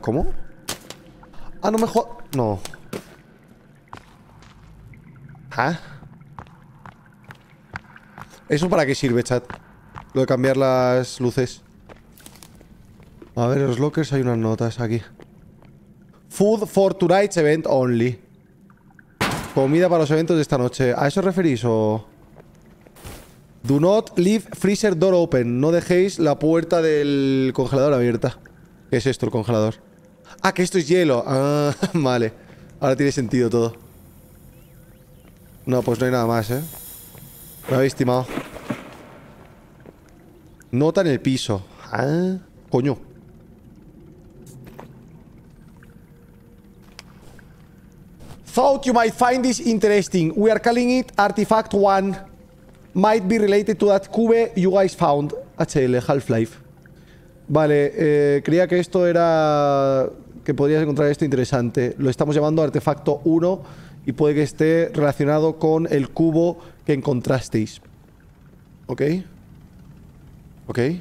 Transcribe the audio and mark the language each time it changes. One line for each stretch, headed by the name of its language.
Spanish: ¿Cómo? Ah, no me jod... no. ¿Ah? ¿Eso para qué sirve, chat? Lo de cambiar las luces. A ver, en los lockers hay unas notas aquí.
English: Food for tonight's event only.
Spanish: Comida para los eventos de esta noche. ¿A eso referís o...?
English: Do not leave freezer door open.
Spanish: No dejéis la puerta del congelador abierta. ¿Qué es esto, el congelador? Ah, que esto es hielo. Ah, vale. Ahora tiene sentido todo. No, pues no hay nada más, ¿eh? Me habéis timado. Nota en el piso. Ah, coño.
English: Thought you might find this interesting. We are calling it Artifact 1. Might be related to that cube you guys found.
Spanish: HL, Half-Life. Vale, creía que esto era... que podrías encontrar esto interesante. Lo estamos llamando Artefacto 1 y puede que esté relacionado con el cubo que encontrasteis. ¿Ok? ¿Ok?